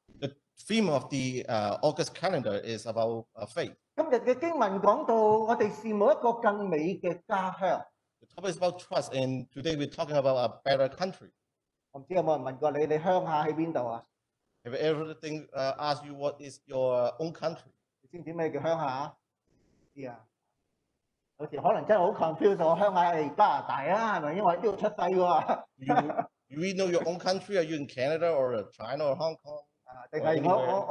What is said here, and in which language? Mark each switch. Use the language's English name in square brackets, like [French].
[English] The theme of the August calendar is about faith. [Cantonese] 今日嘅經文講到我哋羨慕一個更美嘅家鄉。 [English] The topic is about trust, and today we're talking about a better country. [Cantonese] 我唔知有冇人問過你，你鄉下喺邊度啊？ [English] Have you ever asked you what is your own country? [Cantonese] 你知唔知咩叫鄉下？知啊，有時可能真係好 confused， 我鄉下係加拿大啊，係咪？因為喺呢度出世喎。 [English] You know your own country? Are you in Canada or China or Hong Kong?